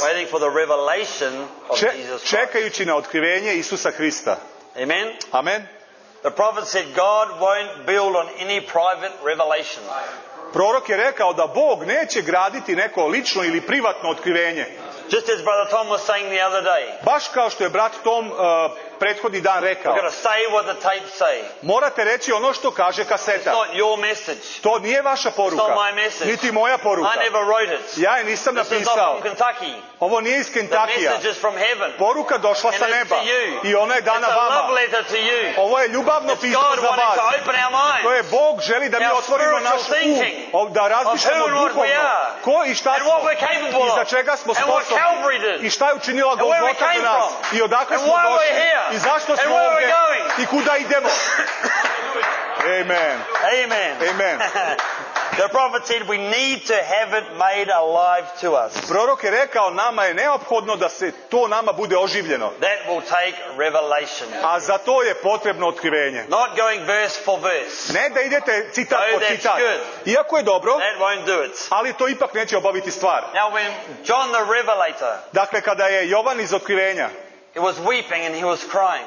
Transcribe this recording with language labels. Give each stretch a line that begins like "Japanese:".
English: Waiting for the revelation of Jesus Christ.
Serbian: Čekajući na otkrivenje Isusa Hrista.
English: Amen.
Serbian: Amen.
English: The prophet said God won't build on any private revelation.
Serbian: Prorok je rekao da Bog neće graditi neko lično ili privatno otkrivenje.
English: Just as brother Tom was saying the other day.
Serbian: Baš kao što je brat Tom prethodni dan rekao.
English: You gotta say what the tape say.
Serbian: Morate reći ono što kaže kaseta.
English: It's not your message.
Serbian: To nije vaša poruka.
English: It's not my message.
Serbian: Niti moja poruka.
English: I never wrote it.
Serbian: Ja je nisam napisao.
English: This is not from Kentucky.
Serbian: Ovo nije iz Kentakija.
English: The message is from heaven.
Serbian: Poruka došla sa neba. I ona je dana vama.
English: It's a love letter to you.
Serbian: Ovo je ljubavno pismo za vas. To je Bog želi da mi otvorimo naš um. Da razmišljamo duhovno. Ko i šta smo. I za čega smo sposobni. I šta je učinila Golgota za nas? I odakle smo došli? I zašto smo ovdje? I kuda idemo? Amen.
English: Amen.
Serbian: Amen.
English: The prophet said we need to have it made alive to us.
Serbian: Prorok je rekao nama je neophodno da se to nama bude oživljeno.
English: That will take revelation.
Serbian: A za to je potrebno otkrivenje.
English: Not going verse for verse.
Serbian: Ne da idete citat po citat. Iako je dobro.
English: That won't do it.
Serbian: Ali to ipak neće obaviti stvar.
English: Now when John the Revelator.
Serbian: Dakle kada je Jovan iz otkrivenja.
English: He was weeping and he was crying.